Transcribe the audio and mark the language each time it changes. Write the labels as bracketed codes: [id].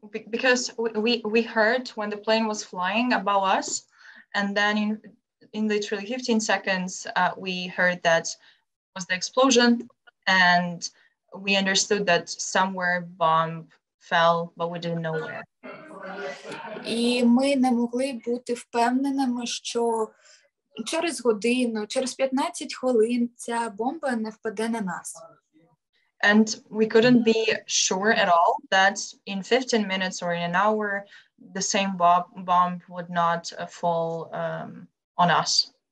[en] Because we heard when the plane was flying above us, and then in literally 15 seconds we heard that was the explosion, and we understood that somewhere bomb fell, but we didn't know where. [uk] І ми не могли бути впевненими, що через годину, через 15 хвилин ця бомба не впаде на нас. [en] And we couldn't be sure at all that in 15 minutes or in an hour the same bomb would not fall on us.